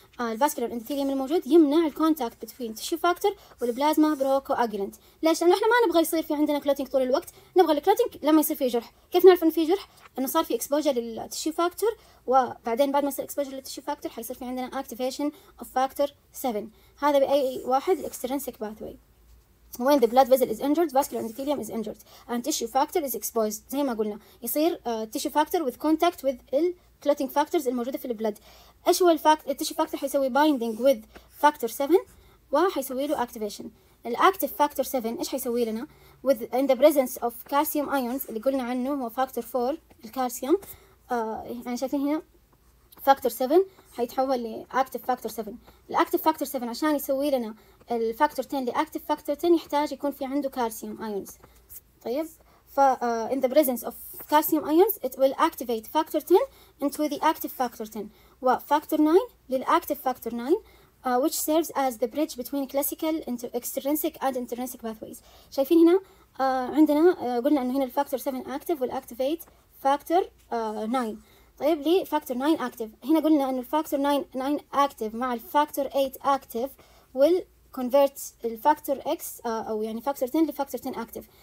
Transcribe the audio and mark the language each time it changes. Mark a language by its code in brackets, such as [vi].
[ar] الفاسكولار اندوثيليوم الموجود يمنع الكونتاكت بين تشو فاكتور والبلازما بروكواجولانت. ليش؟ لانه احنا ما نبغى يصير في عندنا كلوتينج طول الوقت، نبغى الكلوتينج لما يصير في جرح. كيف نعرف انه في جرح؟ انه صار في اكسبوجر للتشو فاكتور، وبعدين بعد ما يصير اكسبوجر للتشو فاكتور حيصير في عندنا اكتيفيشن اوف فاكتور 7. هذا باي واحد الاكسترنسك باثوي. [en] When the blood vessel is injured, vascular endothelium is injured and tissue factor is exposed. [ar] زي ما قلنا يصير tissue factor [en] with contact with the clotting factors [ar] الموجودة في البلد. إيش هو tissue factor حيسوي [en] binding with factor 7 [ar] وحيسوي له activation. [en] The active factor 7 [ar] إيش حيسوي لنا؟ [en] With in the presence of calcium ions [ar] اللي قلنا عنه هو [en] factor 4 الكالسيوم. [ar] يعني شايفين هنا factor 7 حيتحول ل active factor 7. [en] The active factor 7 [ar] عشان يسوي لنا الفاكتور 10 لأكتف فاكتور 10 يحتاج يكون في عنده كالسيوم ايونز. طيب ف [en] in the presence of calcium ions it will activate factor 10 into the active factor 10 و factor 9 للأكتف factor 9 which serves as the bridge between classical extrinsic and intrinsic pathways. [ar] شايفين هنا عندنا قلنا انه هنا الفاكتور 7 [en] active will activate factor 9. [ar] طيب ليه factor 9 active؟ هنا قلنا انه الفاكتور 9 active مع الفاكتور 8 active [en] will convert [ar] الفاكتور اكس او يعني فاكتور 10 لفاكتور 10 اكتيف.